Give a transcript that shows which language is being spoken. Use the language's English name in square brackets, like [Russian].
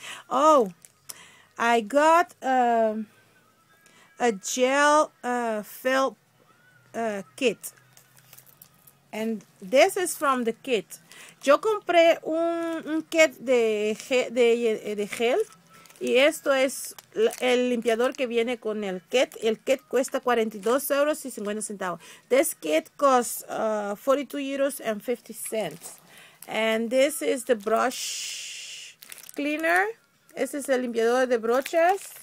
[English] Oh, I got a gel fill kit. And this is from the kit. [Spanish] Yo compré un kit de gel. Y esto es el limpiador que viene con el kit. El kit cuesta 42 euros y 50 centavos. [English] This kit costs 42 euros and 50 cents. And this is the brush cleaner. [Spanish] Este es el limpiador de brochas.